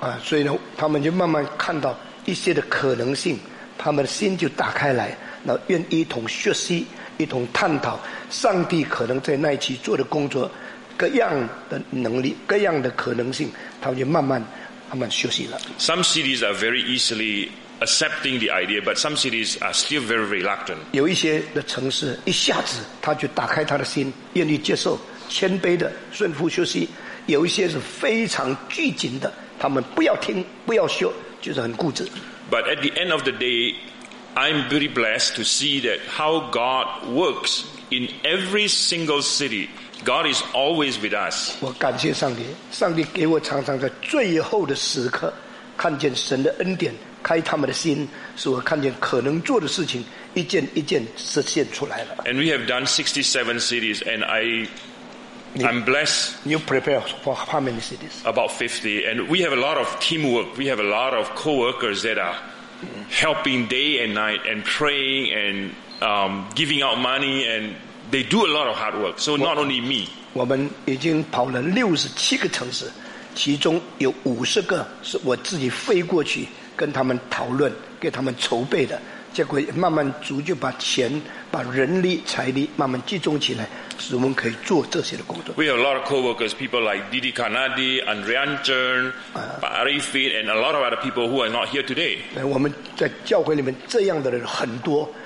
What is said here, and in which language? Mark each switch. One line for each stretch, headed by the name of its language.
Chinese: 所以呢，他们就慢慢看到。一些的可能性，他们的心就打开来，那愿意一同学习，一同探讨上帝可能在那一期做的工作，各样的能力，各样的可能性，他们就慢慢学习了。
English: Some cities are very easily accepting the idea, but some cities are still very reluctant.
Chinese: 有一些的城市一下子他就打开他的心，愿意接受，谦卑的顺服学习；有一些是非常拘谨的，他们不要听，不要学。就是很固执。
English: But at the end of the day, I'm very blessed to see that how God works in every single city. God is always with us.
Chinese: 我感谢上帝，上帝给我常常在最后的时刻看见神的恩典，开他们的心，使我看见可能做的事情一件一件实现出来了。
English: And we have done 67 cities, and I'm blessed. You prepare for how many cities? About 50. And we have a lot of teamwork. We have a lot of co-workers that are helping day and night and praying and giving out money. And they do a lot of hard work. So not only me.
Chinese: 我们已经跑了67个城市，其中有50个是我自己飞过去跟他们讨论，给他们筹备的。结果慢慢逐渐把钱、把人力、财力慢慢集中起来，使我们可以做这些的工作。
English: We have a lot of co-workers, people like Didi Kanadi, Andrean Chern, Arifin, and a lot of other people who are not here today.
Chinese: 我们在教会里面这样的人很多。